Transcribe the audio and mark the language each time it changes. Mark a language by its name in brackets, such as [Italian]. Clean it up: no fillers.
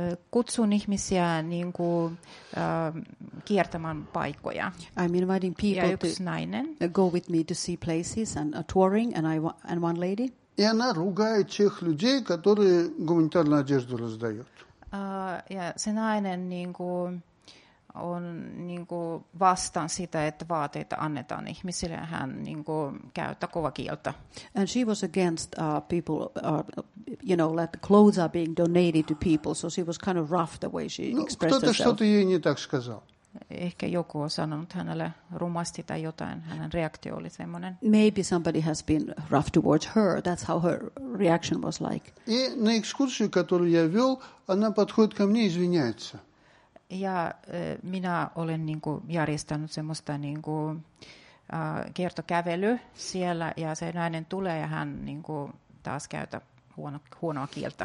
[Finnish] Kutsun ihmisiä niin kuin kiertämään paikkoja. [English] I'm inviting people [Finnish] ja yksi nainen. [English] Go with me to see places and a touring and I and one lady. [Finnish] Ja [Russian] она ругает тех людей, которые гуманитарную одежду раздают. [Finnish] Ja se nainen niin kuin on niin kuin vastaan sitä, että vaatteita annetaan ihmisille, hän niin kuin käyttää kovaa kieltä. [English] And she was against people, you know, that clothes are being donated to people, so she was kind of rough the way she expressed herself. [Russian] Кто-то что-то ей не так сказал. [Finnish] Ehkä joku on sanonut hänelle rumasti tai jotain. Hänen reaktio oli semmoinen. [English] Maybe somebody has been rough towards her. That's how her reaction was like. [Russian] И на экскурсию, которую я вёл, она подходит ко мне и извиняется. [Finnish] Ja minä olen niinku järjestänyt semmoista niinku kiertokävely siellä ja se nainen tulee ja hän niinku taas käytä huonoa kieltä.